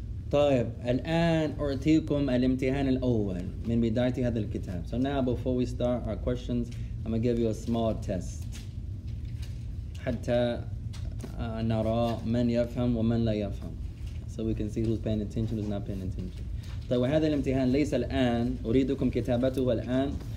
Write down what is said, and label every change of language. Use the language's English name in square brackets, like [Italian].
[Arabic] طيب الآن أعطيكم الامتحان الأول من بداية هذا الكتاب. [English] So now before we start our questions, I'm gonna give you a small test. [Arabic] حتى نرى من يفهم ومن لا يفهم. [English] So we can see who's paying attention, who's not paying attention. [Arabic] طيب هذا الامتحان ليس الآن. أريدكم كتابته الآن.